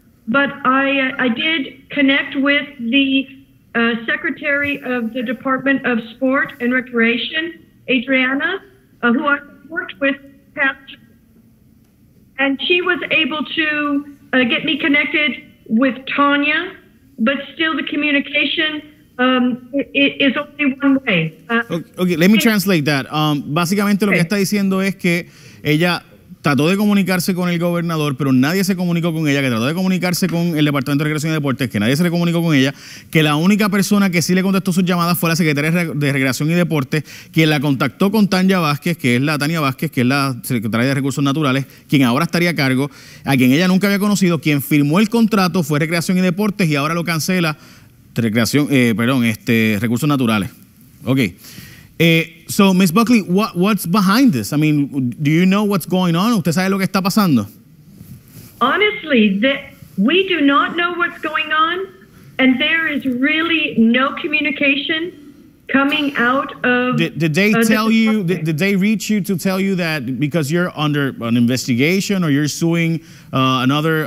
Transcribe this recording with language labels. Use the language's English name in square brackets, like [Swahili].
[English] But I did connect with the Secretary of the Department of Sport and Recreation, Adriana, who I worked with past, and she was able to get me connected with Tanya, but still the communication is only one way. Okay, let me translate that. [Spanish] Básicamente lo que está diciendo es que ella trató de comunicarse con el gobernador, pero nadie se comunicó con ella, que trató de comunicarse con el Departamento de Recreación y Deportes, que nadie se le comunicó con ella, que la única persona que sí le contestó sus llamadas fue la Secretaria de Recreación y Deportes, quien la contactó con Tania Vázquez, que es la Tania Vázquez, que es la Secretaria de Recursos Naturales, quien ahora estaría a cargo, a quien ella nunca había conocido, quien firmó el contrato fue Recreación y Deportes y ahora lo cancela Recreación, Recursos Naturales. [English] Ok. So, Ms. Buckley, what's behind this? I mean, do you know what's going on? [Spanish] ¿Usted sabe lo que está pasando? [English] Honestly, we do not know what's going on, and there is really no communication coming out of... Did they reach you to tell you that because you're under an investigation or you're suing another...